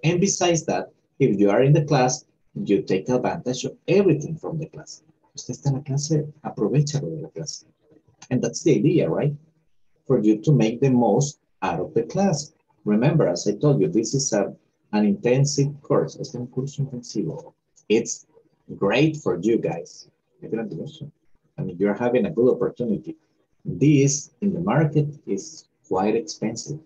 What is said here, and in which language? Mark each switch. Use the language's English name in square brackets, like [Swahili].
[English] And besides that, if you are in the class, you take advantage of everything from the class. [Spanish] Usted está en la clase, aprovechalo de la clase. [English] And that's the idea, right? For you to make the most out of the class. Remember, as I told you, this is an intensive course. [Spanish] Es un curso intensivo. [English] It's great for you guys. [Spanish] Es grandioso. [English] I mean, you're having a good opportunity. This, in the market, is quite expensive.